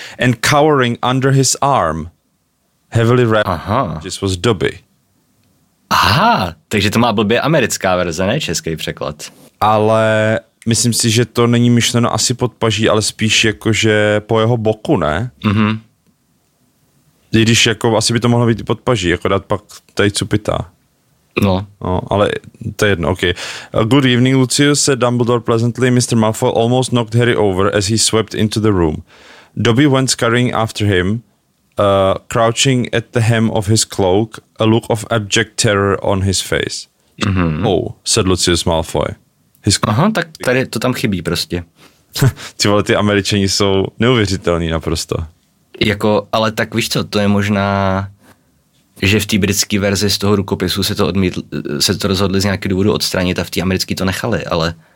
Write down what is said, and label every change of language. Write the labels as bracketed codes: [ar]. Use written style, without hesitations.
[en] And cowering under his arm, heavily wrapped, aha, this was Dobby. [cs] Aha, takže to má blbě americká verze, ne český překlad. Ale myslím si, že to není myšleno asi pod paží, ale spíš jakože po jeho boku, ne? Mhm. I když jako asi by to mohlo být i pod paží, jako dát pak tady cupita. No. No, ale to je jedno, okej. Okay. [en] Good evening, Lucius, said Dumbledore pleasantly. Mr. Malfoy almost knocked Harry over as he swept into the room. Dobby went scurrying after him, crouching at the hem of his cloak, a look of abject terror on his face. Mm-hmm. Oh, said Lucius Malfoy. [cs] His Aha, tak tady to tam chybí prostě. Ty vole, ty Američani jsou neuvěřitelní naprosto. Jako, ale tak víš co, to je možná, že v té britské verzi z toho rukopisu se to rozhodli z nějakého důvodu odstranit a v té americké to nechali, ale...